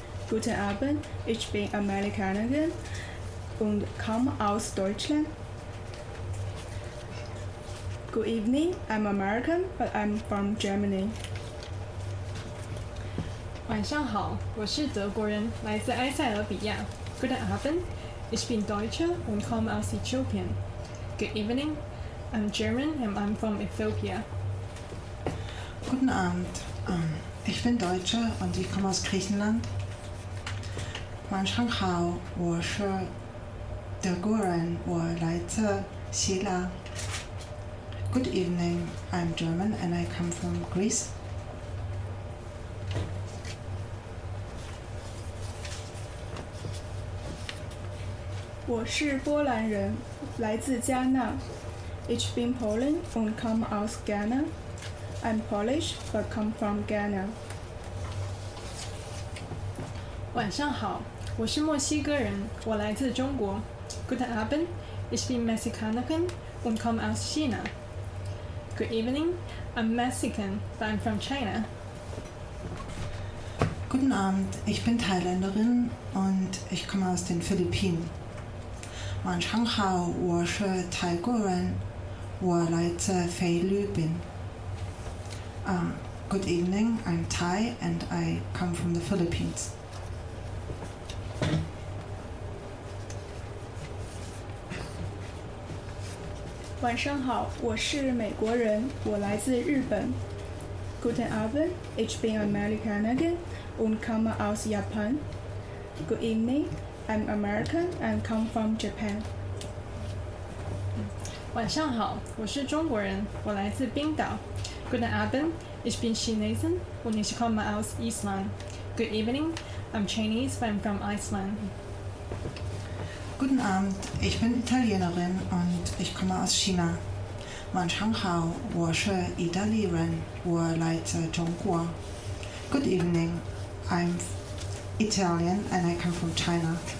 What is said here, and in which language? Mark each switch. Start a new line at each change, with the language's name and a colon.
German: Guten Abend, ich bin Amerikanerin und komme aus Deutschland.
English: Good evening, I'm American, but I'm from Germany.
Chinese: 晚上好，我是德国人，来自埃塞俄比亚。
German: Guten Abend, ich bin Deutsche und komme aus Äthiopien.
English: Good evening, I'm German and I'm from Ethiopia.
German: Guten Abend, ich bin Deutsche und ich komme aus Griechenland.
Chinese: 晚上好，我是德国人，我来自希腊。
English: Good evening, I'm German and I come from Greece.
Chinese: 我是波兰人，来自加纳。
German: Ich bin Polen und komme aus Ghana.
English: I'm Polish but come from Ghana.
Chinese: 晚上好，我是墨西哥人，我来自中国。
German: Guten Abend, ich bin Mexikanerin und komme aus China.
English: Good evening, I'm Mexican but I'm from China.
German: Guten Abend, ich bin Thailänderin und ich komme aus den Philippinen.
Chinese: 晚上好，我是泰国人，我来自菲律宾。
English: Good evening, I'm Thai and I come from the Philippines.
Chinese: 晚上好，我是美国人，我来自日本。
German: Guten Abend, ich bin
English: American again
German: und komme aus Japan.
English: Good evening. I'm American and come from Japan.
Chinese: 晚上好，我是中国人，我来自冰岛。
German: Guten Abend, ich bin Chinesin und ich komme aus Island.
English: Good evening, I'm Chinese but I'm from Iceland.
German: Guten Abend, ich bin Italienerin und ich komme aus China.
Chinese: 晚上好，我是意大利人，我来自中国。
English: Good evening, I'm Italian and I come from China.